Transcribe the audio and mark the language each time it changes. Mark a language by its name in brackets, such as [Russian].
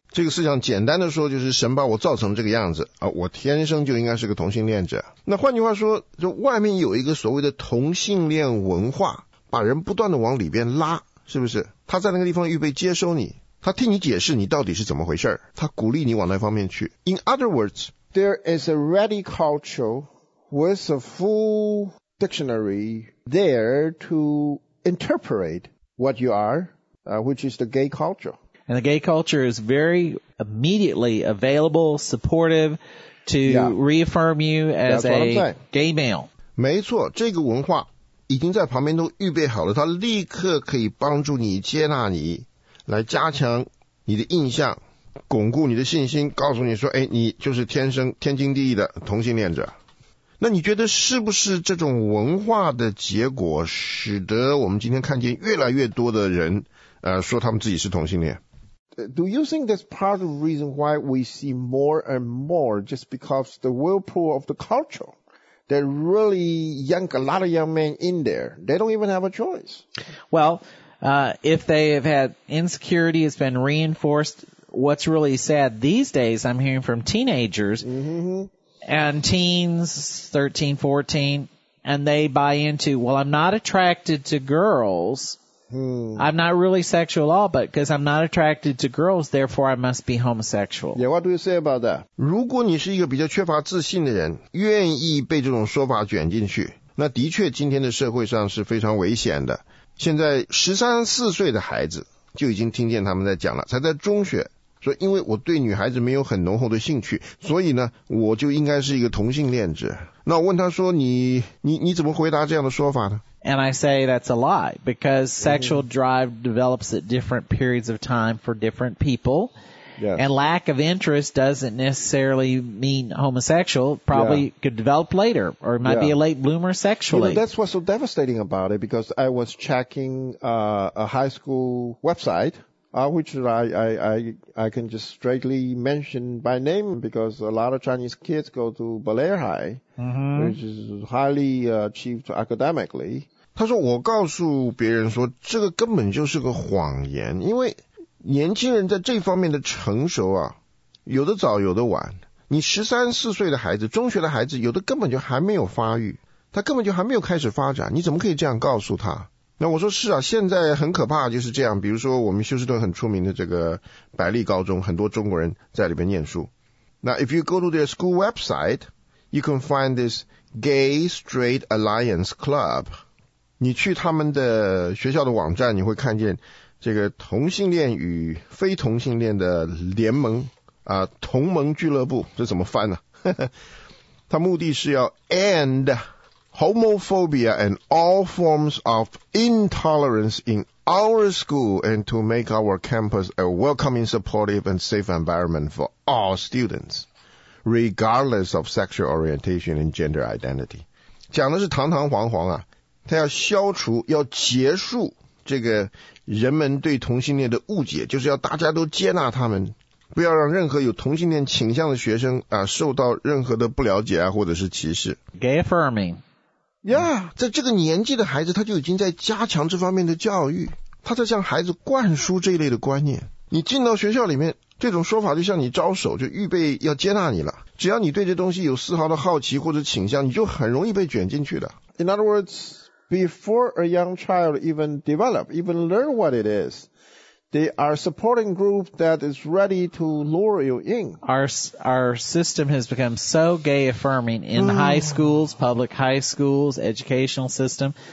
[Chinese] 这个思想简单的说，就是神把我造成这个样子啊，我天生就应该是个同性恋者。那换句话说，就外面有一个所谓的同性恋文化，把人不断的往里边拉，是不是？他在那个地方预备接收你，他替你解释你到底是怎么回事，他鼓励你往那方面去。 [English] In other words, there is a ready culture with a full dictionary there to interpret what you are, which is the gay culture. And the gay culture is very immediately available, supportive to reaffirm you as a gay male. [Chinese] 没错，这个文化已经在旁边都预备好了，它立刻可以帮助你接纳你，来加强你的印象，巩固你的信心，告诉你说，哎，你就是天生天经地义的同性恋者。那你觉得是不是这种文化的结果使得我们今天看见越来越多的人说他们自己是同性恋？ [English] Do you think that's part of the reason why we see more and more just because the whirlpool of the culture that really young, a lot of young men in there, they don't even have a choice? Well, if they have had insecurity has been reinforced, what's really sad these days, I'm hearing from teenagers and teens, 13, 14, and they buy into, well, I'm not attracted to girls. I'm not really sexual at all, but because I'm not attracted to girls, therefore I must be homosexual. Yeah, what do you say about that? [Chinese] 如果你是一个比较缺乏自信的人，愿意被这种说法卷进去，那的确今天的社会上是非常危险的。现在十三四岁的孩子就已经听见他们在讲了，才在中学，说因为我对女孩子没有很浓厚的兴趣，所以呢，我就应该是一个同性恋者。那我问他说，你怎么回答这样的说法呢？ [English] And I say that's a lie, because sexual drive develops at different periods of time for different people. Yes. And lack of interest doesn't necessarily mean homosexual. Probably could develop later, or it might be a late bloomer sexually. You know, that's what's so devastating about it, because I was checking a high school website, which I can just straightly mention by name, because a lot of Chinese kids go to Blair High, which is highly achieved academically. [Chinese] 他说我告诉别人说这个根本就是个谎言，因为年轻人在这方面的成熟啊，有的早有的晚。你十三四岁的孩子，中学的孩子，有的根本就还没有发育，他根本就还没有开始发展，你怎么可以这样告诉他？那我说是啊，现在很可怕就是这样。比如说我们休斯顿很出名的这个百利高中，很多中国人在里面念书。 [English] 那 if you go to their school website, you can find this Gay Straight Alliance Club. [Chinese] 你去他们的学校的网站，你会看见这个同性恋与非同性恋的联盟啊，同盟俱乐部，这怎么翻呢、啊？他目的是要 [English] end homophobia and all forms of intolerance in our school and to make our campus a welcoming, supportive and safe environment for all students, regardless of sexual orientation and gender identity. [Chinese] 讲的是堂堂皇皇啊，他要消除，要结束这个人们对同性恋的误解，就是要大家都接纳他们，不要让任何有同性恋倾向的学生啊受到任何的不了解啊或者是歧视。 [English] Gay affirming. [Chinese] Yeah, 在这个年纪的孩子他就已经在加强这方面的教育，他在向孩子灌输这一类的观念。你进到学校里面，这种说法就向你招手，就预备要接纳你了。只要你对这东西有丝毫的好奇或者倾向，你就很容易被卷进去的。 [English] In other words,Before a young child even develop, even learn what it is, they are supporting group that is ready to lure you in. Our system has become so gay affirming in high schools, public high schools, educational system.